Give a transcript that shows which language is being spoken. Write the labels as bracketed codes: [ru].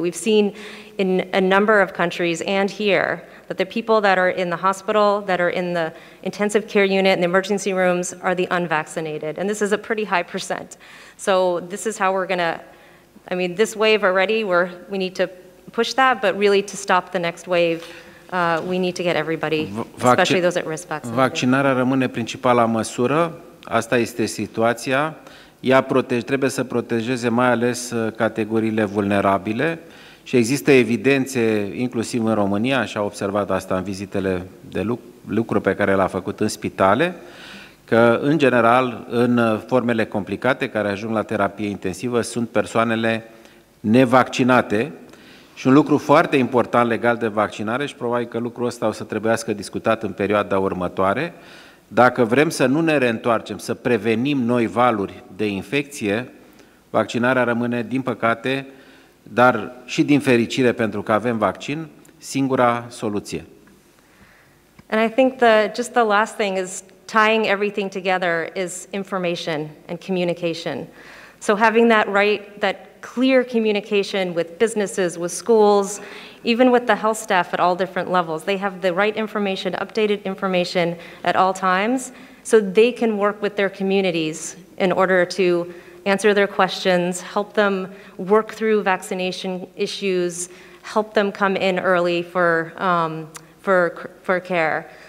[en] We've seen in a number of countries and here that the people that are in the hospital, that are in the intensive care unit and the emergency rooms are the unvaccinated. And this is a pretty high percent. So this is how we're gonna, I mean, this wave already, we need to push that, but really to stop the next wave, we need to get everybody, especially those at risk, vaccinated. [ro] Vaccinarea rămâne principala măsură, asta este situația. Trebuie să protejeze mai ales categoriile vulnerabile și există evidențe, inclusiv în România, și a observat asta în vizitele de lucru pe care l-a făcut în spitale, că, în general, în formele complicate care ajung la terapie intensivă, sunt persoanele nevaccinate. Și un lucru foarte important legal de vaccinare, și probabil că lucrul ăsta o să trebuiască discutat în perioada următoare, dacă vrem să nu ne reîntoarcem, să prevenim noi valuri de infecție, vaccinarea rămâne, din păcate, dar și din fericire pentru că avem vaccin, singura soluție. [en] And I think just the last thing is tying everything together is information and communication. So having that clear communication with businesses, with schools, even with the health staff at all different levels. They have the right information, updated information at all times, so they can work with their communities in order to answer their questions, help them work through vaccination issues, help them come in early for care.